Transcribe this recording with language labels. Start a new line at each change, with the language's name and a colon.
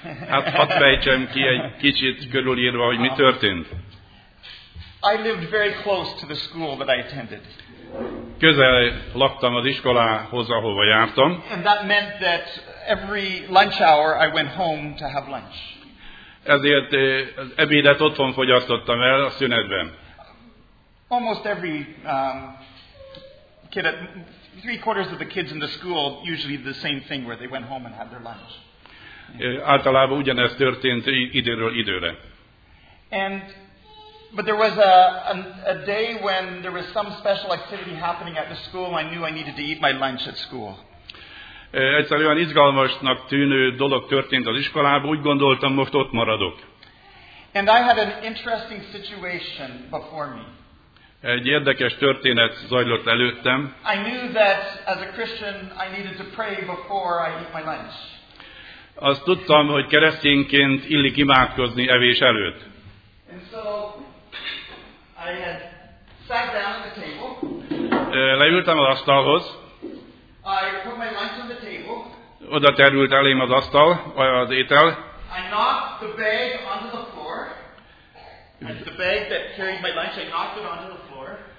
Hungarian: Hát hadd fejtsem ki egy kicsit körülírva, hogy mi történt.
English: I lived very close to the school that I attended.
Hungarian: Közel laktam az iskolához, ahova jártam.
English: And that meant that every lunch hour I went home to have lunch.
Hungarian: Ezért ebédet otthon fogyasztottam el a szünetben.
English: Almost every kid, three-quarters of the kids in the school usually did the same thing where they went home and had their lunch.
Hungarian: Általában ugyanez történt időről időre.
English: And but there was a day when there was some special activity happening at the school. I knew I needed to eat my lunch at school.
Hungarian: Egyszerűen izgalmasnak tűnő dolog történt az iskolában, úgy gondoltam, most ott maradok.
English: And I had an interesting situation before me.
Hungarian: Egy érdekes történet zajlott előttem.
English: I knew that as a Christian I needed to pray before I eat my lunch.
Hungarian: Azt tudtam, hogy keresztényként illik imádkozni evés előtt.
English: And so I had sat down at the table.
Hungarian: Leültem az asztalhoz.
English: I put my lunch on the table.
Hungarian: Oda terült elém az asztal, az étel.
English: I knocked the bag onto the floor. The bag that carried my lunch, I knocked it onto the floor.